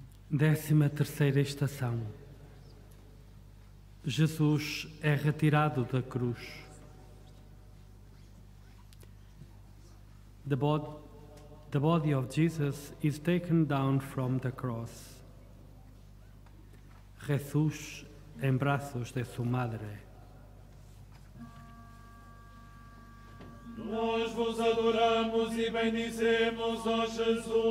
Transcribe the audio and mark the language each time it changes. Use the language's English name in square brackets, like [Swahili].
[Portuguese] Décima terceira estação. Jesus é retirado da cruz. [English] The body of Jesus is taken down from the cross. [Spanish] Jesús en brazos de su madre. [Portuguese] Nós vos adoramos e bendizemos, ó Jesus.